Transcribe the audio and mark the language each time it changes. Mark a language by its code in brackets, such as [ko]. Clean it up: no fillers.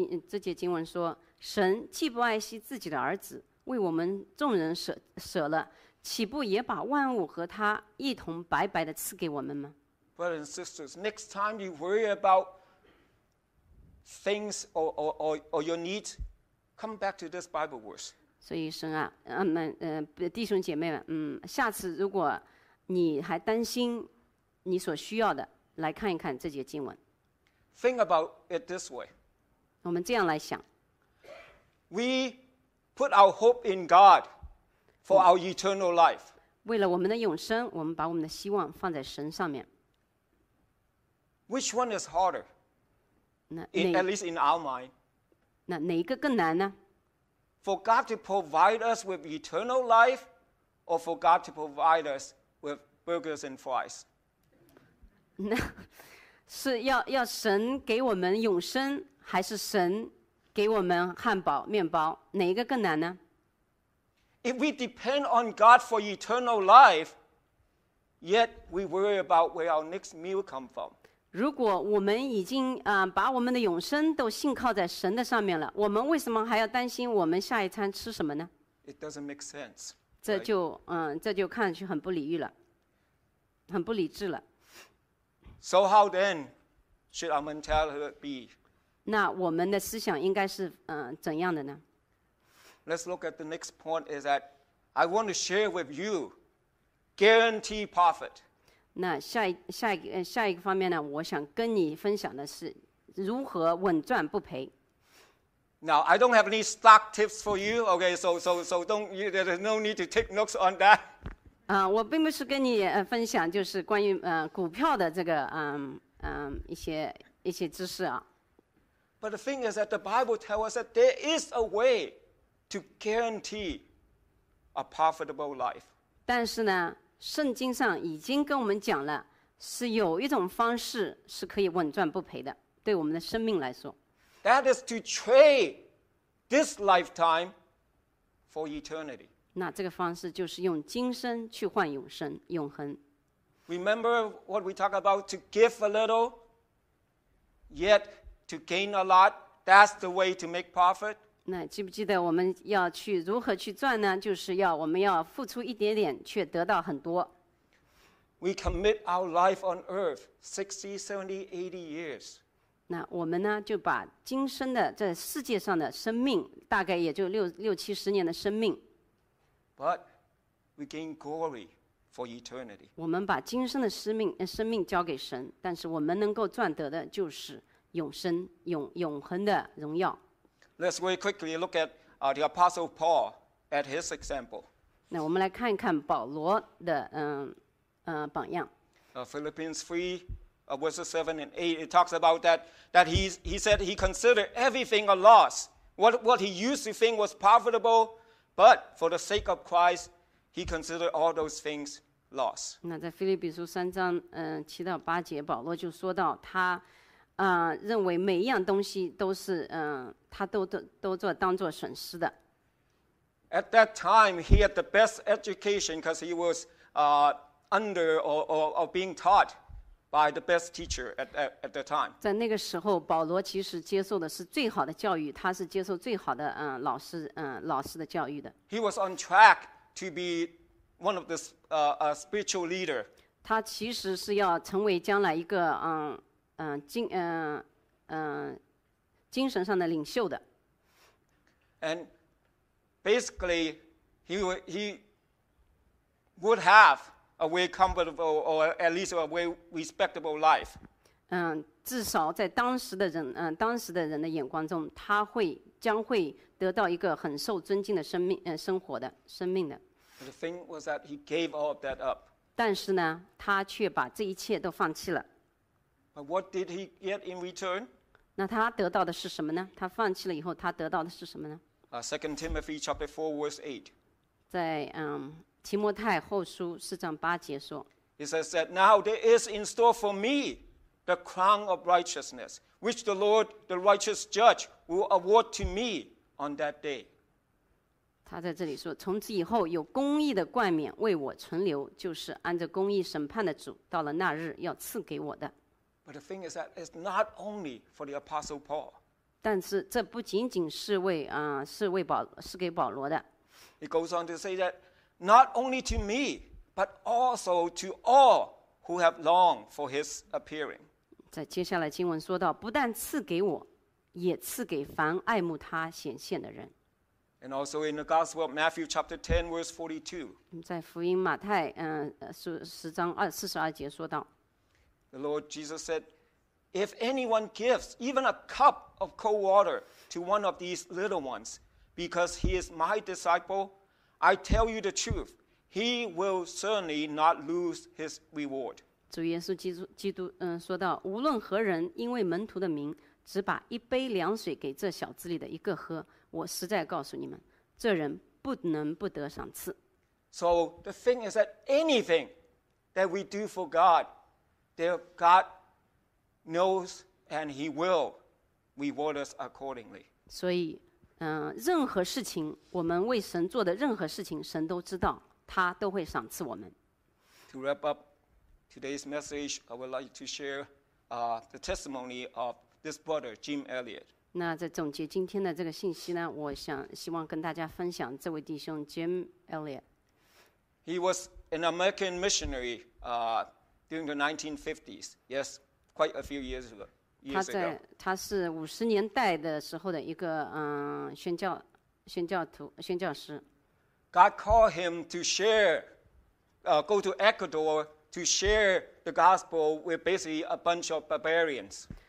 [zh] 这节经文说，神既不爱惜自己的儿子，为我们众人舍了。岂不也把万物和他一同白白的赐给我们吗？ [en] Brothers and sisters, next time you worry about things or your needs, come back to this Bible verse. [zh] 所以神啊，弟兄姐妹们，下次如果你还担心你所需要的，来看一看这节经文。 [en] Think about it this way. [zh] 我们这样来想。 [en] We put our hope in God. For our eternal life. [zh] 为了我们的永生，我们把我们的希望放在神上面。 [en] Which one is harder? At least in our mind. [zh] 那哪一个更难呢？ [en] For God to provide us with eternal life, or for God to provide us with burgers and fries? [zh] 那是要神给我们永生，还是神给我们汉堡、面包？哪一个更难呢？ [en] If we depend on God for eternal life, yet we worry about where our next meal comes from. [zh] 如果我们已经把我们的永生都信靠在神的上面了，我们为什么还要担心我们下一餐吃什么呢？ [en] It doesn't make sense. [zh] 这就看上去很不理喻了，很不理智了。 [en] So how then should our mentality be? [zh] 那我们的思想应该是怎样的呢？ [en] Let's look at the next point is that I want to share with you guaranteed profit. [zh] 那下一个方面呢，我想跟你分享的是如何稳赚不赔。 [en] Now I don't have any stock tips for you. Okay, so don't. There's no need to take notes on that. [zh] 我并不是跟你分享就是关于股票的这个一些知识啊。 [en] But the thing is that the Bible tells us that there is a way to guarantee a profitable life. [zh] 但是呢，圣经上已经跟我们讲了，是有一种方式是可以稳赚不赔的，对我们的生命来说。 [en] That is to trade this lifetime for eternity. [zh] 那这个方式就是用今生去换永生，永恒。 [en] Remember what we talk about, to give a little, yet to gain a lot, that's the way to make profit. [zh] 那记不记得我们要去如何去赚呢？就是要我们要付出一点点，却得到很多。 [en] We commit our life on earth 60, 70, 80 years. [zh] 那我们呢，就把今生的在世界上的生命，大概也就六七十年的生命。 [en] But we gain glory for eternity. [zh] 我们把今生的生命交给神，但是我们能够赚得的就是永生永恒的荣耀。 [en] Let's very quickly look at the Apostle Paul at his example. [zh] 那我们来看一看保罗的榜样。 [en] Philippians 3, verses 7 and 8, it talks about that he said he considered everything a loss. What he used to think was profitable, but for the sake of Christ, he considered all those things loss. [zh] 那在腓立比书三章七到八节，保罗就说到他。认为每一样东西都是他都当作损失的。 [en] At that time, he had the best education because he was under or being taught by the best teacher at the time. [zh] 在那个时候，保罗其实接受的是最好的教育，他是接受最好的老师的教育的。 [en] He was on track to be one of the spiritual leader. [zh] 他其实是要成为将来一个精神上的领袖的。 [en] And basically, he would have a very comfortable or at least a very respectable life. [zh] 至少在当时的人的眼光中，他将会得到一个很受尊敬的生命的。 [en] But the thing was that he gave all of that up. [zh] 但是呢，他却把这一切都放弃了。 [en] But what did he get in return? [zh] 那他得到的是什么呢？他放弃了以后，他得到的是什么呢？ [en] Second Timothy chapter 4, verse 8. [zh] 在提摩太后书四章八节说。 [en] He says that now there is in store for me the crown of righteousness, which the Lord, the righteous judge, will award to me on that day. [zh] 他在这里说，从此以后有公义的冠冕为我存留，就是按着公义审判的主，到了那日要赐给我的。 [en] But the thing is that it's not only for the Apostle Paul. [zh] 但是这不仅仅是为是为保是给保罗的。 [en] It goes on to say that not only to me, but also to all who have longed for his appearing. [zh] 在接下来经文说到，不但赐给我，也赐给凡爱慕他显现的人。 [en] And also in the Gospel of Matthew chapter 10, verse 42. [zh] 在福音马太十章四十二节说到。 [en] The Lord Jesus said, if anyone gives even a cup of cold water to one of these little ones, because he is my disciple, I tell you the truth, he will certainly not lose his reward. [zh] 主耶稣基督说道，无论何人因为门徒的名，只把一杯凉水给这小子里的一个喝，我实在告诉你们，这人不能不得赏赐。 [en] So the thing is that anything that we do for God,There God knows and he will reward us accordingly. [zh] 所以任何事情，我们为神做的任何事情，神都知道，他都会赏赐我们。 [en] To wrap up today's message, I would like to share the testimony of this brother, Jim Elliot. [zh] 那在总结今天的这个信息呢，我想希望跟大家分享这位弟兄 Jim Elliot. [en] He was an American missionary, during the 1950s, yes, quite a few years ago. [zh] 他是五十年代的时候的一个宣教师。 [en] God called him to go to Ecuador to share the gospel with basically a bunch of barbarians.